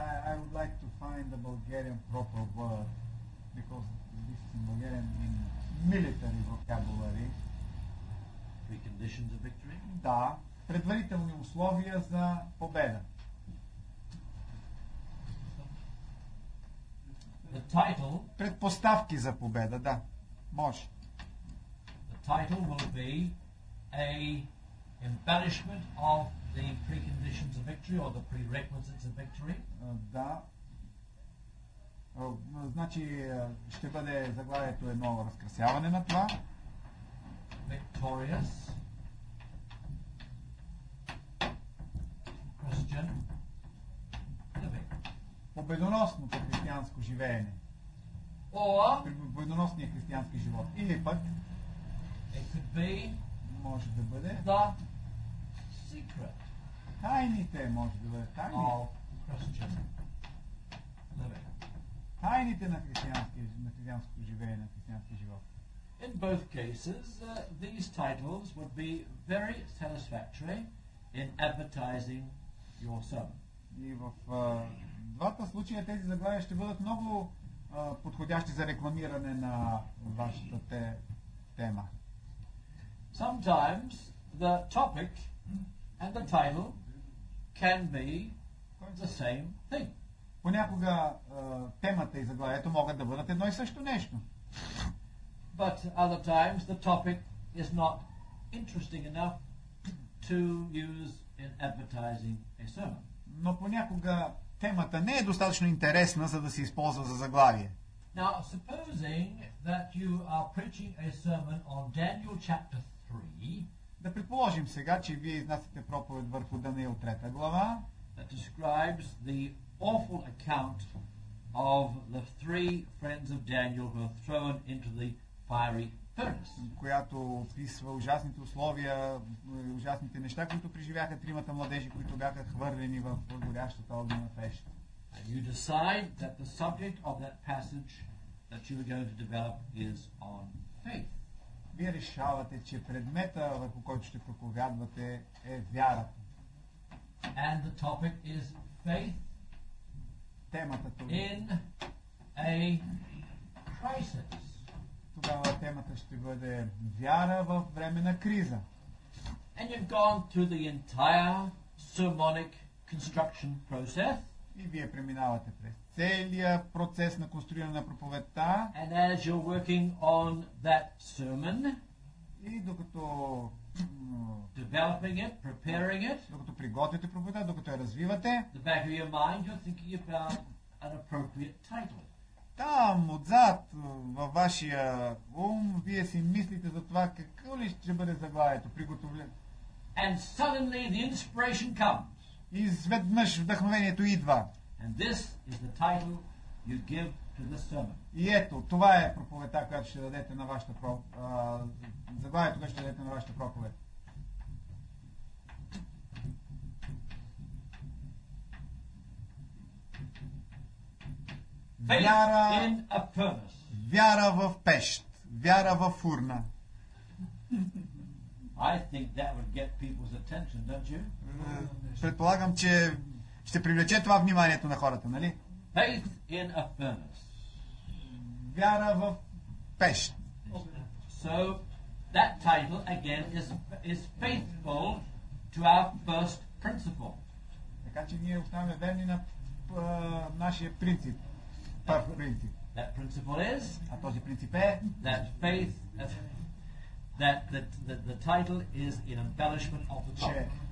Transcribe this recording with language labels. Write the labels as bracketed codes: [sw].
[en] I would like to find the Bulgarian proper word, because this is in Bulgarian in military vocabulary. Preconditions of victory? [bg] Да. Предварителни условия за победа. [en] The title, [bg] предпоставки за победа, да. Може. [en] The title will be a embellishment of the preconditions of victory or the prerequisites of victory. [bg] Да. Значи ще бъде заглавието едно разкрасяване на това. [en] Victorious Christian living. [bg] Победоносно християнско живеене. [en] Or [bg] победоносния християнски живот. Или пък [en] it could be, [bg] може да бъде [en] the secret. [bg] Тайните, може да бъде тайни. [en] Of Christian living. [bg] тайните на християнското живеене, на християнския живот. [en] In both cases, these titles would be very satisfactory in advertising your sermon. [bg] И в двата случая тези заглавия ще бъдат много подходящи за рекламиране на вашата тема. [en] Sometimes the topic and the title can be the same thing. [bg] Понякога темата и заглавието могат да бъдат едно и също нещо. [en] But other times the topic is not interesting enough to use in advertising a sermon. [bg] Но понякога темата не е достатъчно интересна, за да се използва за заглавие. [en] Now, supposing that you are preaching a sermon on Daniel chapter 3, [bg] да предположим сега, че вие изнасяте проповед върху Даниил 3 глава, [en] that describes the awful account of the three friends of Daniel who are thrown into the fiery furnace. [bg] Която описва ужасните условия, ужасните неща, които преживяха тримата младежи, които бяха хвърлени в горящата огнена пещ. [en] And you decide that the subject of that passage that you are going to develop is on faith. [bg] Вие решавате, че предмета, върху който ще проповядвате, е вярата. [en] And the topic is faith. [bg] Темата тук. [en] In a crisis. [bg] Тогава темата ще бъде вяра в време на криза. [en] And you've gone through the entire sermonic construction process. [bg] И вие преминавате през целия процес на конструиране на проповедта. [en] And as you're working on that sermon, [bg] и докато [en] developing it, preparing it, [bg] докато приготвяте проповедта, докато я развивате, [en] the back of your mind you're thinking about an appropriate title. [bg] Там, отзад, във вашия ум, вие си мислите за това какво ли ще бъде заглавието, приготвяте. [en] And suddenly the inspiration comes. [bg] И изведнъж вдъхновението идва. [en] And this is the title you give to the sermon. [bg] И ето, това е проповедта, която ще дадете на вашата заглавието, което ще дадете на вашата проповед. Вяра [en] in a furnace. [bg] Вяра в пещ, вяра в фурна. [en] I think that would get people's attention, don't you? [bg] Предполагам, че ще привлече това вниманието на хората, нали? [en] Faith in a furnace. [bg] Вяра в пещ. [en] So that title again is faithful to our first principle. [bg] Така че ние оставаме верни на нашия принцип. Първ принцип. [en] That principle is, [bg] а този принцип е, [en] that faith that the title is an embellishment of the topic.